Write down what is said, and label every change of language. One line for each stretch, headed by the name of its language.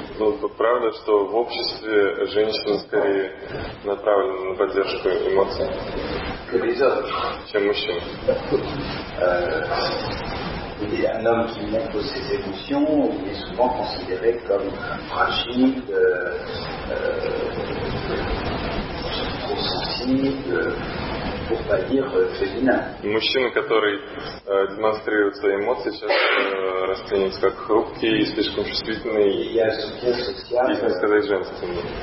Russian: Ну, то правда, что в обществе женщины скорее направлены на поддержку эмоций.
French: Que les hommes.
Russian: Чем мужчины.
French: Et un homme qui montre ses émotions, il est souvent considéré comme fragile, trop sensible.
Russian: Мужчина, который демонстрирует свои эмоции, сейчас расценится как хрупкий и слишком чувствительный, если не сказать женственный.